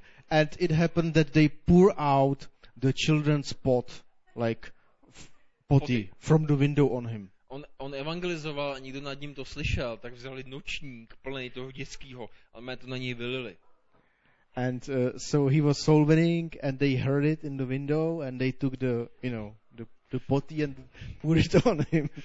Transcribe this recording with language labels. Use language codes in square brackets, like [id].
[en] it happened that they pour out the children's pot like potty from the window on him. [cs] On evangelizoval a nikdo nad ním to slyšel, tak vzali nočník plný toho dětského a mě to na něj vylili. [en] And so he was soul winning and they heard it in the window and they took the, you know, the potty and put it on him.